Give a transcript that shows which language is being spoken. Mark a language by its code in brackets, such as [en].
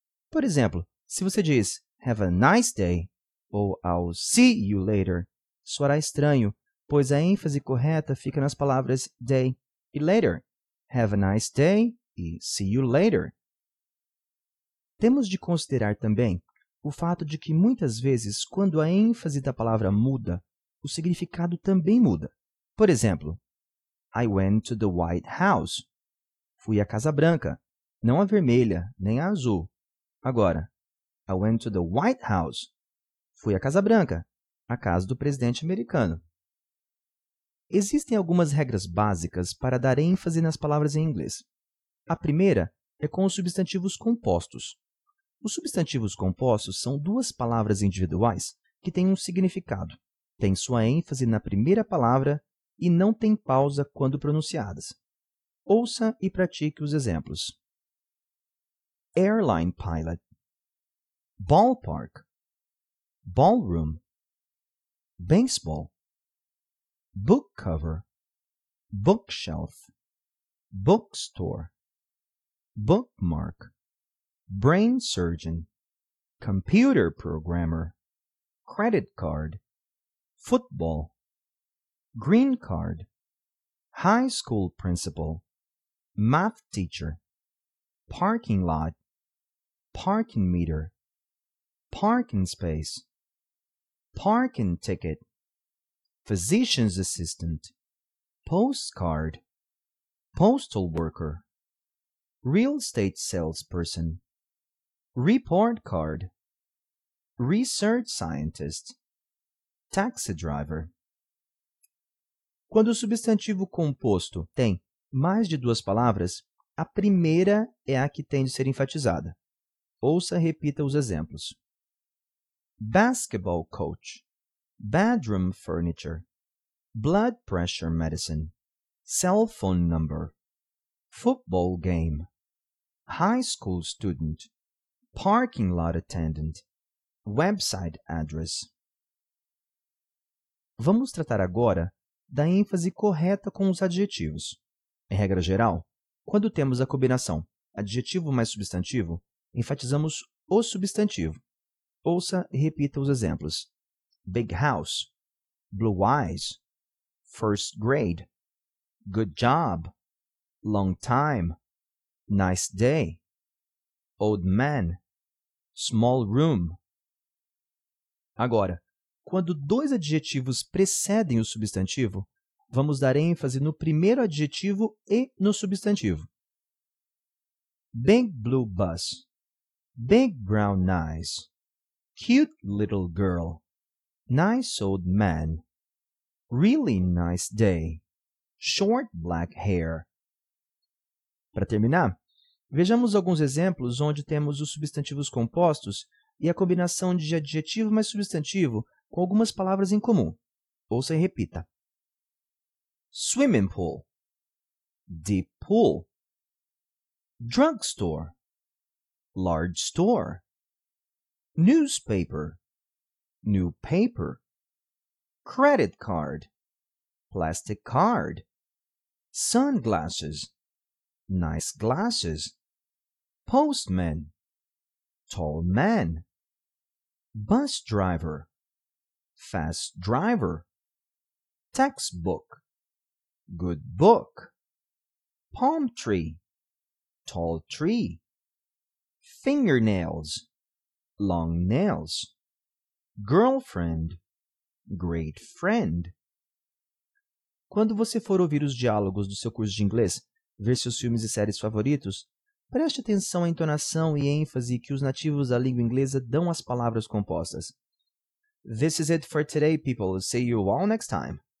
[pt] Por exemplo, se você diz [en] "have a nice day" [pt] ou [en] "I'll see you later", [pt] soará estranho, pois a ênfase correta fica nas palavras "day" e "later". [en] "Have a nice day" [pt] e [en] "see you later". [pt] Temos de considerar também o fato de que, muitas vezes, quando a ênfase da palavra muda, o significado também muda. Por exemplo, [en] "I went to the White House". [pt] Fui à Casa Branca, não à vermelha, nem à azul. Agora, [en] "I went to the White House". [pt] Fui à Casa Branca, à casa do presidente americano. Existem algumas regras básicas para dar ênfase nas palavras em inglês. A primeira é com os substantivos compostos. Os substantivos compostos são duas palavras individuais que têm um significado, têm sua ênfase na primeira palavra e não têm pausa quando pronunciadas. Ouça e pratique os exemplos. [en] Airline pilot, ballpark, ballroom, baseball, book cover, bookshelf, bookstore, bookmark, brain surgeon, computer programmer, credit card, football, green card, high school principal, math teacher, parking lot, parking meter, parking space, parking ticket, physician's assistant, postcard, postal worker, real estate salesperson, report card, research scientist, taxi driver. [pt] Quando o substantivo composto tem mais de duas palavras, a primeira é a que tem de ser enfatizada. Ouça e repita os exemplos. [en] Basketball coach, bedroom furniture, blood pressure medicine, cell phone number, football game, high school student, parking lot attendant, website address. [pt] Vamos tratar agora da ênfase correta com os adjetivos. Em regra geral, quando temos a combinação adjetivo mais substantivo, enfatizamos o substantivo. Ouça e repita os exemplos. [en] Big house, blue eyes, first grade, good job, long time, nice day, old man, small room. [pt] Agora, quando dois adjetivos precedem o substantivo, vamos dar ênfase no primeiro adjetivo e no substantivo. [en] Big blue bus, big brown eyes, cute little girl, nice old man, really nice day, short black hair. [pt] Para terminar, vejamos alguns exemplos onde temos os substantivos compostos e a combinação de adjetivo mais substantivo com algumas palavras em comum. Ouça e repita. [en] Swimming pool, deep pool, drugstore, large store, newspaper, new paper, credit card, plastic card, sunglasses, nice glasses, postman, tall man, bus driver, fast driver, textbook, good book, palm tree, tall tree, fingernails, long nails, girlfriend, great friend. [pt] Quando você for ouvir os diálogos do seu curso de inglês, ver seus filmes e séries favoritos, preste atenção à entonação e ênfase que os nativos da língua inglesa dão às palavras compostas. [en] This is it for today, people. See you all next time.